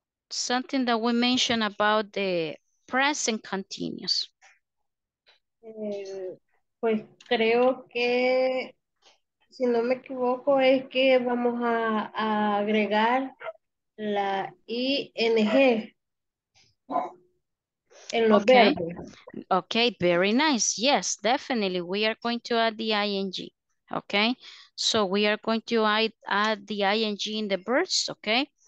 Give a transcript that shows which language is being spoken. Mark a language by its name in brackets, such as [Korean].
[English] Something that we mentioned about the present continuous. [Spanish] Pues creo que, si no me equivoco, es que vamos a agregar la ING en los verbos. [English] Okay, very nice. Yes, definitely. We are going to add the ING. Okay, so we are going to add the ING in the verbs, okay?